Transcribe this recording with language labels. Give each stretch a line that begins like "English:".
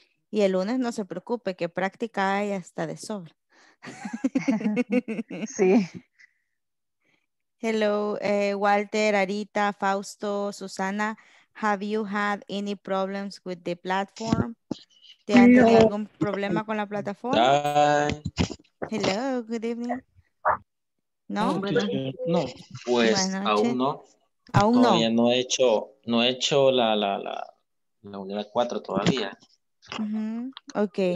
Spanish: Y el lunes no se preocupe, que práctica hay hasta de sobra. Sí.
English: Hello, Walter, Arita, Fausto, Susana, have you had any problems with the platform?
Spanish: ¿Te han tenido algún problema con la plataforma?
English: Hello, good evening.
Spanish: ¿No? No, pues aún no. Aún no. Todavía no he hecho no he hecho la unidad 4 todavía. Uh-huh. Okay.